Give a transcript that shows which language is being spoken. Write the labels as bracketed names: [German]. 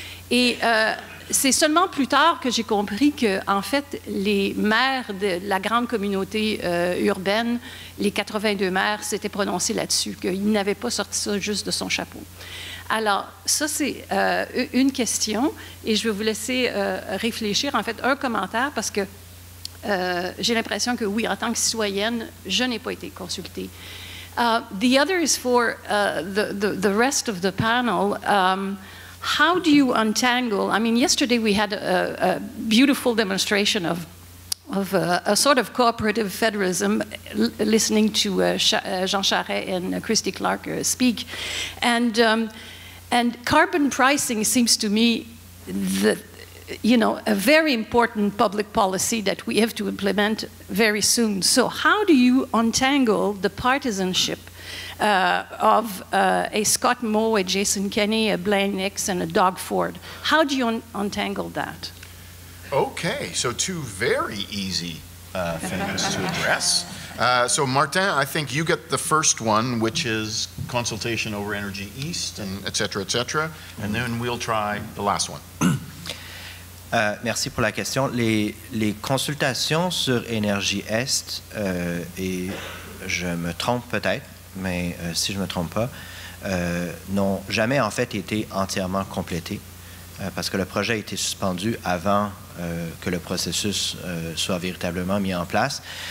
[French] Et c'est seulement plus tard que j'ai compris que, en fait, les maires de la grande communauté urbaine, les 82 maires, s'étaient prononcés là-dessus, qu'ils n'avaient pas sorti ça juste de son chapeau. Alors, ça, c'est une question, et je vais vous laisser réfléchir, en fait, un commentaire, parce que j'ai l'impression que oui, en tant que citoyenne, je n'ai pas été consultée. [English] The other is for the rest of the panel. How do you untangle? I mean, yesterday we had a beautiful demonstration of a sort of cooperative federalism, listening to Jean Charest and Christy Clark speak, and carbon pricing seems to me that. You know, a very important public policy that we have to implement very soon. So how do you untangle the partisanship of a Scott Moe, a Jason Kenney, a Blaine Nix, and a Doug Ford? How do you untangle that? Okay, so two very easy things to address. So Martin, I think you get the first one, which is consultation over Energy East and et cetera, et cetera. And then we'll try the last one. [French] Merci pour la question. Les consultations sur Énergie Est, et je me trompe peut-être, mais si je ne me trompe pas, n'ont jamais en fait été entièrement complétées, parce que le projet a été suspendu avant que le processus soit véritablement mis en place.